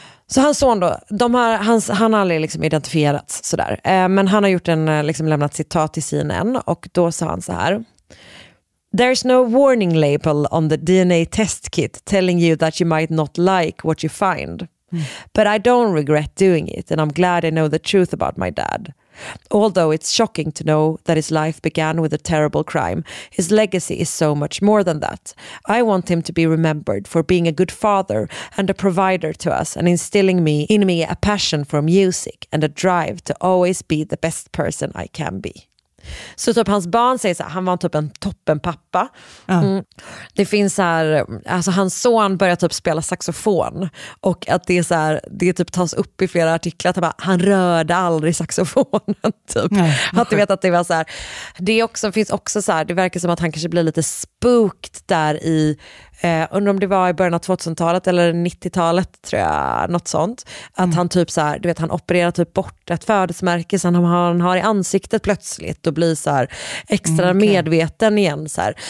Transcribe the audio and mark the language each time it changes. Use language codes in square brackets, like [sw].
[sv] Så hans son då, han har aldrig liksom identifierats sådär. Men han har gjort en, liksom lämnat citat till CNN och då sa han så här: [en] "There's no warning label on the DNA test kit telling you that you might not like what you find. But I don't regret doing it and I'm glad I know the truth about my dad. Although it's shocking to know that his life began with a terrible crime, his legacy is so much more than that. I want him to be remembered for being a good father and a provider to us and instilling in me a passion for music and a drive to always be the best person I can be." [sv] Så typ hans barn säger så här, han var typ en toppen pappa. Det finns så här, alltså hans son börjar typ spela saxofon och att det är så här, det typ tas upp i flera artiklar att han rörde aldrig saxofonen typ. Att du vet att det var så här, det också finns också så här, det verkar som att han kanske blir lite spukt där i undrar om det var i början av 2000-talet eller 90-talet tror jag, något sånt, att han typ så här, du vet, han opererar typ bort ett födelsemärke som han har i ansiktet plötsligt och blir så här extra medveten igen så här.